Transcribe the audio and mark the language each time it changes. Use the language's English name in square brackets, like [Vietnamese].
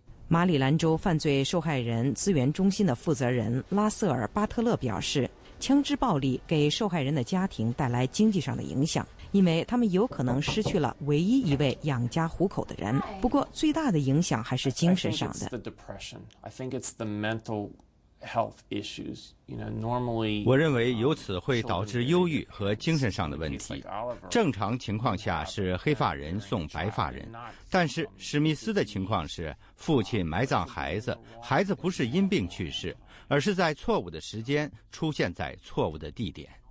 [Chinese] 马里兰州犯罪受害人资源中心的负责人拉瑟尔·巴特勒表示，枪支暴力给受害人的家庭带来经济上的影响，因为他们有可能失去了唯一一位养家糊口的人。不过最大的影响还是精神上的。 [English] I think it's the mental health issues, normally, [Chinese] 我认为由此会导致忧郁和精神上的问题。正常情况下是黑发人送白发人，但是史密斯的情况是父亲埋葬孩子，孩子不是因病去世，而是在错误的时间出现在错误的地点。